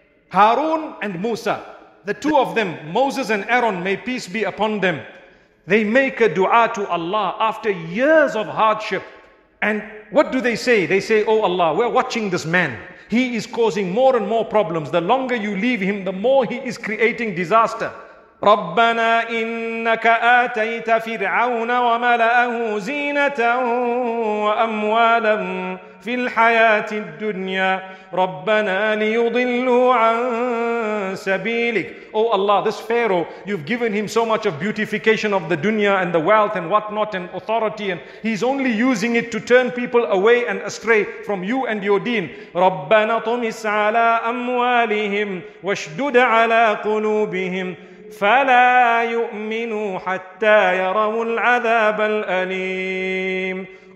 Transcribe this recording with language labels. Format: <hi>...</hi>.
<en>Harun and Musa, the two of them, Moses and Aaron, may peace be upon them. They make a dua to Allah after years of hardship. And what do they say? They say, oh Allah, we're watching this man. He is causing more and more problems. The longer you leave him, the more he is creating disaster.</en> <ar>ربنا إنك آتيت فرعون وملأه زينة وأموالا في الحياة الدنيا ربنا ليضلوا عن سبيلك.</ar> <en>Oh Allah, this Pharaoh, you've given him so much of beautification of the dunya and the wealth and whatnot and authority, and he's only using it to turn people away and astray from you and your deen.</en> <ar>ربنا طمس على أموالهم واشدد على قلوبهم فَلَا يُؤْمِنُوا حَتَّى يَرَوُوا الْعَذَابَ الْأَلِيمِ.</ar>